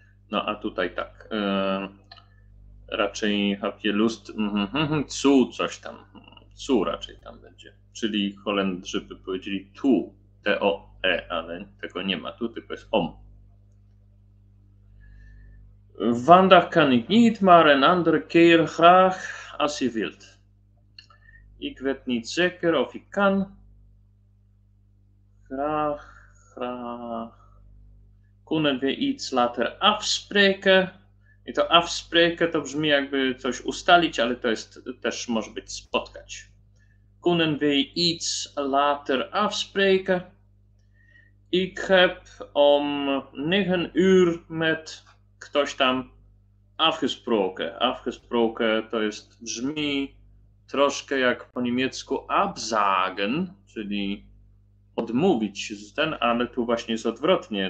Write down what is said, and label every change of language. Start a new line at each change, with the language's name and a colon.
Polish: No a tutaj tak, raczej
German: habt ihr Lust zu
Polish: coś tam, zu raczej tam będzie, czyli Holendrzy by powiedzieli tu, T-O-E, ale tego nie ma tu, tylko jest om.
Dutch: Vandaag kan ik niet, maar een andere keer graag als je wilt. Ik weet niet zeker of ik kan. Graag. Kunnen we iets later afspreken?
Polish: I to afspreken to brzmi jakby coś ustalić, ale to jest też może być spotkać.
Dutch: Kunnen we iets later afspreken? Ik heb om 9 uur met
Polish: ktoś tam
Dutch: afgesproken.
Polish: Afgesproken to jest brzmi troszkę jak po niemiecku absagen, czyli odmówić ten, ale tu właśnie jest odwrotnie.